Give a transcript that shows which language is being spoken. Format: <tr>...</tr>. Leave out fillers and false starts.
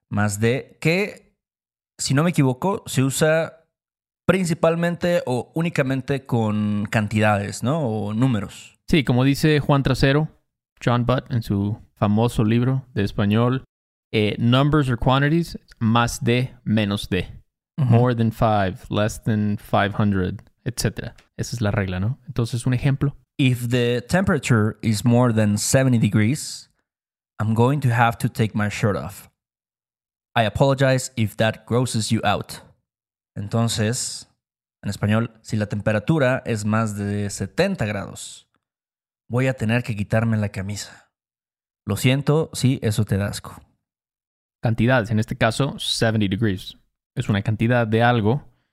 <es>Más de, que, si no me equivoco, se usa principalmente o únicamente con cantidades, ¿no? O números. Sí, como dice Juan Trasero, John Butt, en su famoso libro de español,</es> <en>numbers or quantities,</en> <es>más de, menos de. Uh-huh.</es> <en>More than five, less than 500.</en> <es>Etcétera. Esa es la regla, ¿no? Entonces, un ejemplo.</es> <en>If the temperature is more than 70 degrees, I'm going to have to take my shirt off. I apologize if that grosses you out.</en> <es>Entonces, en español, si la temperatura es más de 70 grados, voy a tener que quitarme la camisa. Lo siento si eso te da asco. Cantidades. En este caso,</es> <en>70 degrees.</en> <es>Es una cantidad de algo.</es>